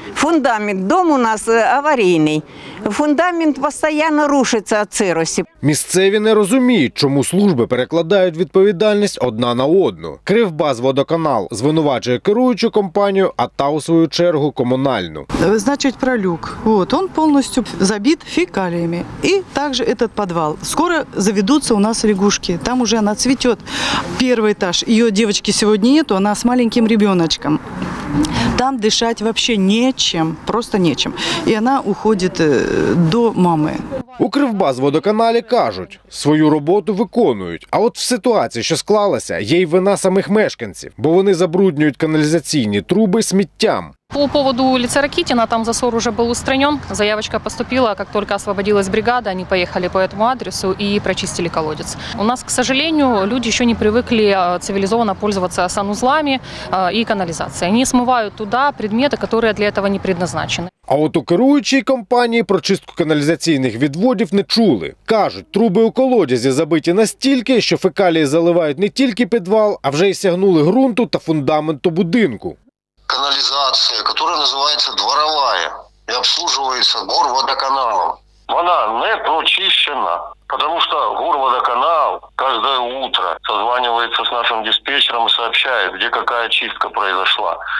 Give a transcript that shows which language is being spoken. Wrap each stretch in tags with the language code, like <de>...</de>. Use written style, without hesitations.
<uk>Фундамент, дом у нас аварійний. Фундамент постійно рушиться від сирості. Місцеві не розуміють, чому служби перекладають відповідальність одна на одну. Кривбас-водоканал звинувачує керуючу компанію, а та у свою чергу комунальну. Значить, пролюк. От, він повністю забит фекалією.</uk> <ru>И также этот подвал. Скоро заведутся у нас лягушки. Там уже она цветет. Первый этаж. Ее девочки сегодня нету, она с маленьким ребеночком. Там дышать вообще нечем, просто нечем. И она уходит</ru> <uk>до мами. У Кривбас-водоканалі кажуть, свою роботу виконують. А от в ситуації, що склалася, є й вина самих мешканців. Бо вони забруднюють каналізаційні труби сміттям.</uk> <ru>По поводу улицы Ракитина, там засор уже был устранен. Заявочка поступила, как только освободилась бригада, они поехали по этому адресу и прочистили колодец. У нас, к сожалению, люди еще не привыкли цивилизованно пользоваться санузлами и канализацией. Они смывают туда предметы, которые для этого не предназначены.</ru> <uk>А от у керуючої компанії про чистку каналізаційних відводів не чули. Кажуть, труби у колодязі забиті настільки, що фекалії заливають не тільки підвал, а вже й сягнули ґрунту та фундаменту будинку. Каналізація, яка називається</uk> <ru>дворовая,</ru> <uk>і обслуговується горводоканалом, вона не прочищена, тому що горводоканал кожне</uk> <ru>утро</ru> <uk>зв'язується з нашим диспетчером і сообщає, де яка чистка пройшла.</uk>